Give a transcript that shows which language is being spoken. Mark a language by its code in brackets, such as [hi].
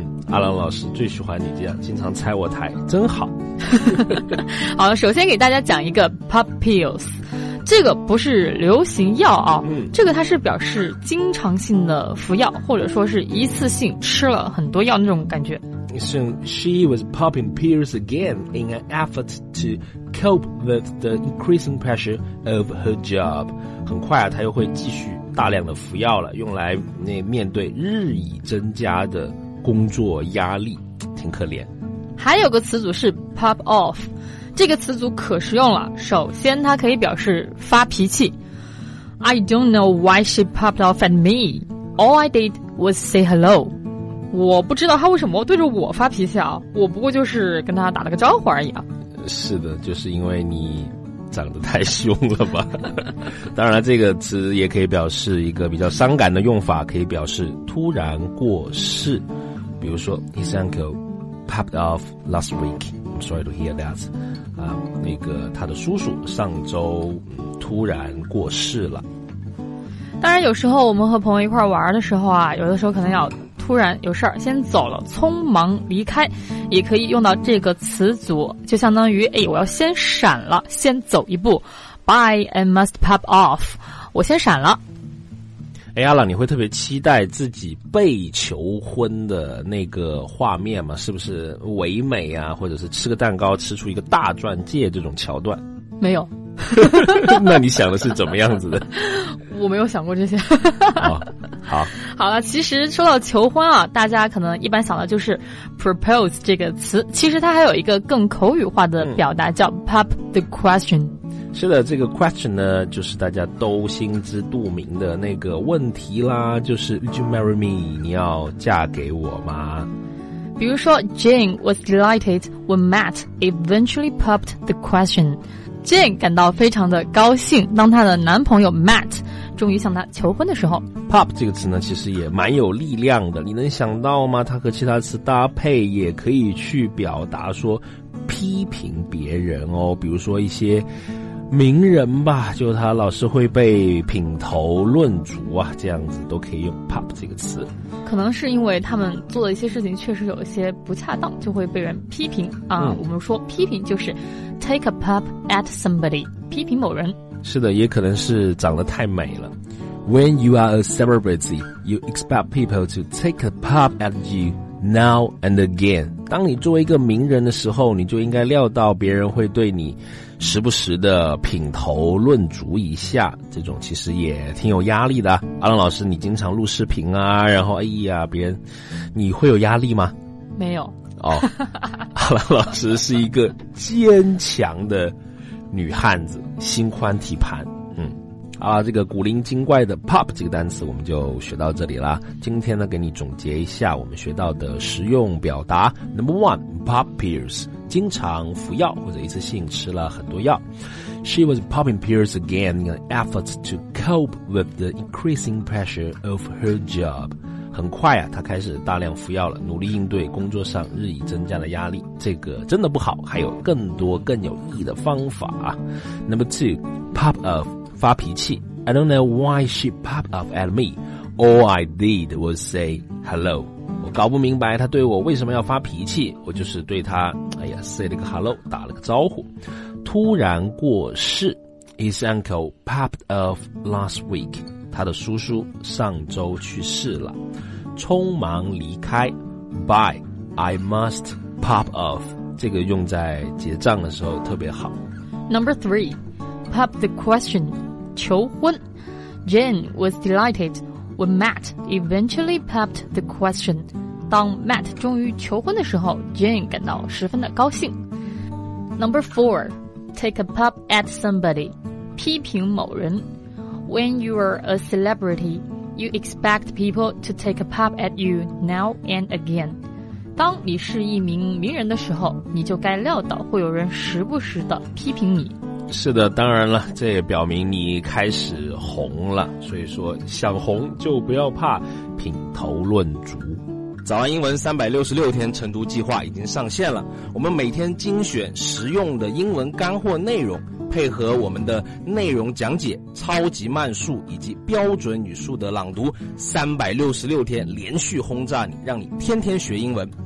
[zh] 阿郎老师最喜欢你这样，经常拆我台，真好。好，首先给大家讲一个 pop pills， 这个不是流行药啊，这个它是表示经常性的服药，或者说是一次性吃了很多药那种感觉。 [en] So she was popping pills again in an effort to cope with the increasing pressure of her job。 [zh] 很快啊，她又会继续大量的服药了，用来那面对日益增加的工作压力，挺可怜。还有个词组是 pop off， 这个词组可实用了。首先它可以表示发脾气， [en] I don't know why she popped off at me， All I did was say hello。 [zh] 我不知道她为什么对着我发脾气啊，我不过就是跟她打了个招呼而已啊。是的，就是因为你长得太凶了吧。当然这个词也可以表示一个比较伤感的用法，可以表示突然过世，比如说 [en] his uncle popped off last week， I'm sorry to hear that， [zh] 那个他的叔叔上周突然过世了。当然有时候我们和朋友一块玩的时候啊，有的时候可能要突然有事儿先走了，匆忙离开，也可以用到这个词组，就相当于哎，我要先闪了，先走一步。 [en] Bye and must pop off， [zh] 我先闪了。哎，阿朗，你会特别期待自己被求婚的那个画面吗？是不是唯美啊，或者是吃个蛋糕吃出一个大钻戒这种桥段？没有。那你想的是怎么样子的？我没有想过这些。好了，其实说到求婚啊，大家可能一般想的就是 propose 这个词，其实它还有一个更口语化的表达，叫 pop the question。是的，这个 question 呢，就是大家都心知肚明的那个问题啦，就是 [en] Would you marry me？ [zh] 你要嫁给我吗？比如说 [en] ，Jane was delighted when Matt eventually popped the question。 [zh] Jane 感到非常的高兴，当她的男朋友 Matt 终于向她求婚的时候。 Pop 这个词呢，其实也蛮有力量的，你能想到吗？它和其他词搭配也可以去表达说批评别人哦，比如说一些名人吧，就他老是会被品头论足啊，这样子都可以用 pop 这个词。可能是因为他们做的一些事情确实有一些不恰当，就会被人批评啊。我们说批评就是 [en] take a pop at somebody， [zh] 批评某人。是的，也可能是长得太美了。 [en] When you are a celebrity, you expect people to take a pop at you now and again。 [zh] 当你作为一个名人的时候，你就应该料到别人会对你时不时的品头论足一下，这种其实也挺有压力的。阿朗老师，你经常录视频啊，然后哎呀，别人，你会有压力吗？没有。哦，阿朗老师是一个坚强的女汉子，心宽体盘。这个古灵精怪的 pop 这个单词我们就学到这里啦。今天呢，给你总结一下我们学到的实用表达。 [en] Number one, pop pills， [zh] 经常服药或者一次性吃了很多药。 [en] She was popping pills again in an effort to cope with the increasing pressure of her job。 [zh] 很快啊，她开始大量服药了，努力应对工作上日益增加的压力。这个真的不好，还有更多更有意义的方法。 [en] Number two, pop off。发脾气， I don't know why she popped off at me. All I did was say hello. [zh] 我搞不明白她对我为什么要发脾气，我就是对她，哎呀 ，say 了个 hello， 打了个招呼。 [en] 突然过世， His uncle popped off last week. [zh] 他的叔叔上周去世了，匆忙离开。 [en] By I must pop off [zh] 这个用在结账的时候特别好。 [en] Number three, pop the question, 求婚。 Jane was delighted when Matt eventually popped the question. [zh] 当 Matt 终于求婚的时候， Jane 感到十分的高兴。 [en] Number four, take a pop at somebody, [zh] 批评某人。 [en] When you are a celebrity, you expect people to take a pop at you now and again. [zh] 当你是一名名人的时候，你就该料到会有人时不时的批评你。是的，当然了，这也表明你开始红了。所以说，想红就不要怕品头论足。早安英文366天晨读计划已经上线了，我们每天精选实用的英文干货内容，配合我们的内容讲解、超级慢速以及标准语速的朗读，366天连续轰炸你，让你天天学英文。